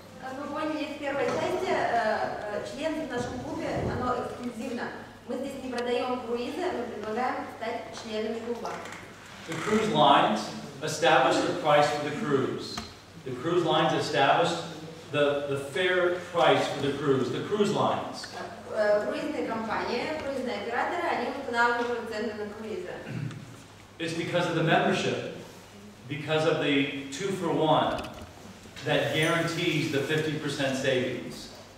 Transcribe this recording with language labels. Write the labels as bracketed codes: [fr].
[ru] Вы поняли, в первой части члены в нашем клубе, оно эксклюзивно. Мы здесь не продаем круизы, мы предлагаем стать членами клуба. [en] The cruise lines established the price for the cruise. The cruise lines established the fair price for the cruise. The cruise lines. [ru] Круизные компании, круизные операторы, они устанавливают цены на круизы. [en] It's because of the membership, because of the two for one. That guarantees the 50% savings.